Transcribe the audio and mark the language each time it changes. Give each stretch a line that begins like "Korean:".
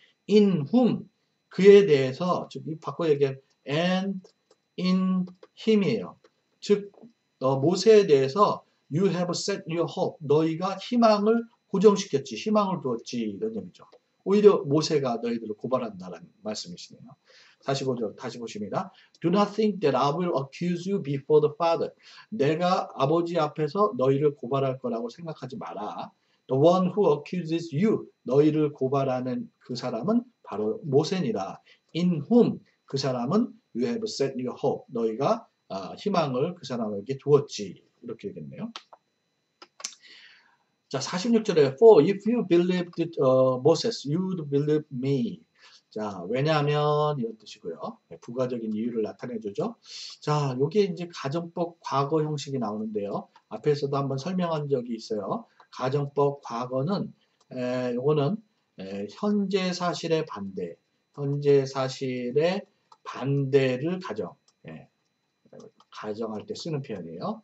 English: in whom,
Korean: 그에 대해서, 즉, 바꿔 얘기하면,
English: and in him이에요.
Korean: 즉, 모세에 대해서,
English: you have set your hope.
Korean: 너희가 희망을 고정시켰지, 희망을 두었지, 이런 얘기죠. 오히려 모세가 너희들을 고발한다라는 말씀이시네요. 45절, 다시 보십니다.
English: Do not think that I will accuse you before the Father.
Korean: 내가 아버지 앞에서 너희를 고발할 거라고 생각하지 마라.
English: The one who accuses you,
Korean: 너희를 고발하는 그 사람은 바로 모세니라.
English: In whom,
Korean: 그 사람은
English: you have set your hope.
Korean: 너희가 희망을 그 사람에게 두었지. 이렇게 되겠네요. 자, 46절에
English: For if you believed Moses, you would believe me.
Korean: 자, 왜냐하면 이런 뜻이고요. 부가적인 이유를 나타내주죠. 자, 여기에 이제 가정법 과거 형식이 나오는데요. 앞에서도 한번 설명한 적이 있어요. 가정법 과거는 요거는 현재 사실의 반대, 현재 사실의 반대를 가정, 가정할 때 쓰는 표현이에요.